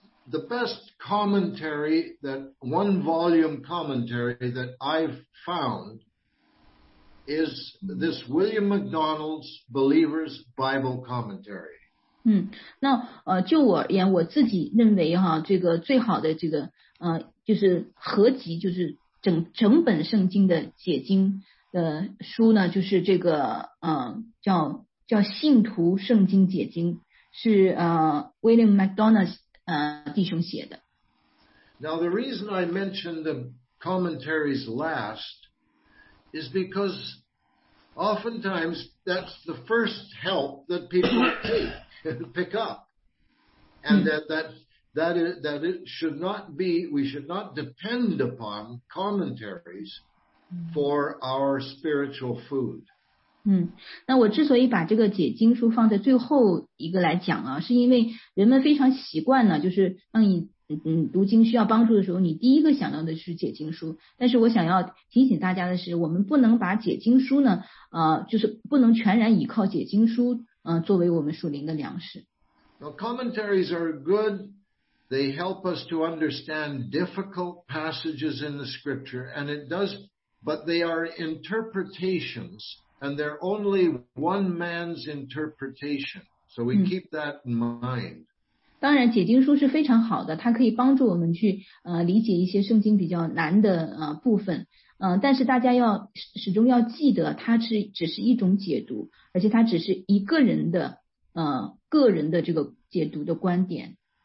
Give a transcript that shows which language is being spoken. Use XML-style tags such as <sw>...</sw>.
<en>The best commentary that one volume commentary that I've found is this William MacDonald's Believer's Bible Commentary.</en> <zh>那就我而言，我自己认为哈，这个最好的这个就是合集，就是整本圣经的解经的书呢，就是这个叫信徒圣经解经，是William MacDonald 弟兄写的。</zh> <en>Now the reason I mentioned the commentaries last is because oftentimes, that's the first help that people pick up. And that should not be, we should not depend upon commentaries for our spiritual food.</en> <zh>那我之所以把这个解经书放在最后一个来讲啊，是因为人们非常习惯呢，就是当你读经需要帮助的时候，你第一个想到的是解经书。但是我想要提醒大家的是，我们不能把解经书呢，就是不能全然依靠解经书，作为我们属灵的粮食。</zh> <en>Well, commentaries are good. They help us to understand difficult passages in the scripture, and it does. But they are interpretations. And they're only one man's interpretation. So we keep that in mind.</en> <zh>当然解经书是非常好的，它可以帮助我们去理解一些圣经比较难的部分。但是大家要始终要记得，它是只是一种解读，而且它只是一个人的个人的这个解读的观点。</zh>